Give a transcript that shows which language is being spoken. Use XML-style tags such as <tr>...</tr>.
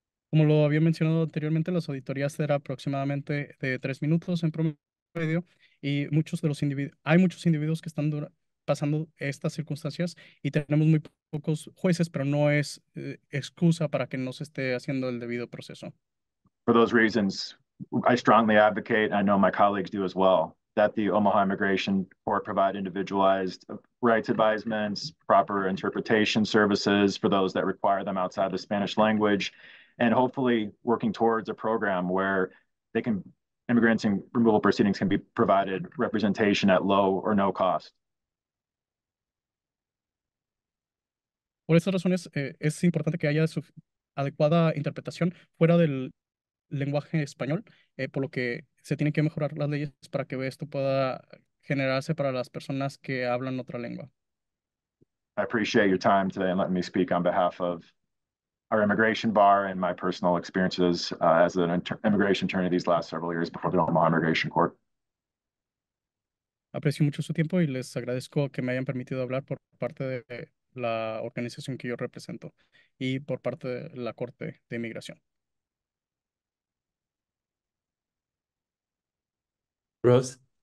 <es>Como lo había mencionado anteriormente, las auditorías eran aproximadamente de 3 minutos en promedio. Y muchos de los hay muchos individuos que están pasando estas circunstancias y tenemos muy pocos jueces, pero no es excusa para que no se esté haciendo el debido proceso.</es> <en>For those reasons, I strongly advocate, and I know my colleagues do as well, that the Omaha Immigration Court provide individualized rights advisements, proper interpretation services for those that require them outside the Spanish language, and hopefully working towards a program where they can immigrants and removal proceedings can be provided representation at low or no cost.</en> <es>Por esas razones, es importante que haya adecuada interpretación fuera del lenguaje español, por lo que se tienen que mejorar las leyes para que esto pueda generarse para las personas que hablan otra lengua.</es> <en>I appreciate your time today and letting me speak on behalf of our immigration bar and my personal experiences as an immigration attorney these last several years before the Omaha Immigration Court.</en> <es>Aprecio mucho su tiempo y les agradezco que me hayan permitido hablar por parte de la organización que yo represento y por parte de la Corte de Inmigración.</es> <en>Rose.</en>